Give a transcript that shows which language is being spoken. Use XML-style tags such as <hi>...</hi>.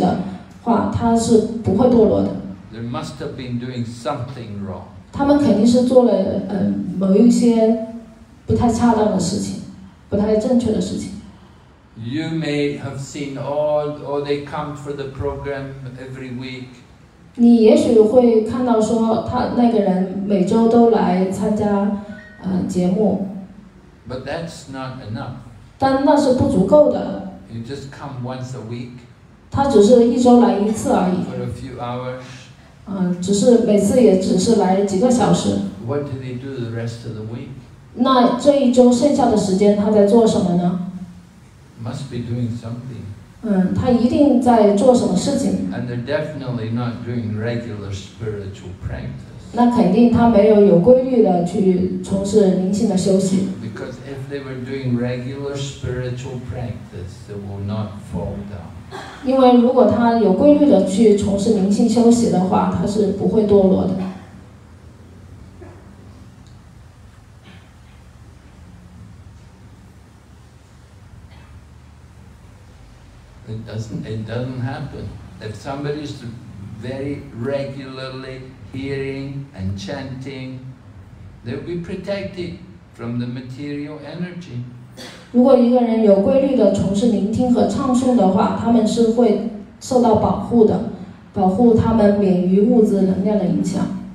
<zh>你要知道，如果一个人是进行有规律的灵性修习的话，他是不会堕落的。</zh> <en>They must have been doing something wrong.</en> <zh>他们肯定是做了某一些不太恰当的事情，不太正确的事情。</zh> <en>You may have seen or they come for the program every week.</en> <zh>你也许会看到说他那个人每周都来参加节目。</zh> <en>But that's not enough.</en> <zh>但那是不足够的。</zh> <en>You just come once a week.</en> <zh>他只是一周来一次而已。</zh> <en>For a few hours.</en> <zh>只是每次也只是来几个小时。</zh> <en>What do they do the rest of the week?</en> <zh>那这一周剩下的时间他在做什么呢？</zh> <en>Must be doing something.</en> <zh>他一定在做什么事情。</zh> <en>And they're definitely not doing regular spiritual practice.</en> <zh>那肯定他没有有规律的去从事灵性的修行。</zh> <en>Because if they were doing regular spiritual practice, they will not fall down.</en> <zh>因为如果他有规律的去从事灵性修行的话，他是不会堕落的。</zh> <en>It doesn't happen. If somebody is very regularly hearing and chanting, they'll be protected from the material energy.</en> <zh>如果一个人有规律的从事聆听和唱诵的话，他们是会受到保护的，保护他们免于物质能量的影响。</zh>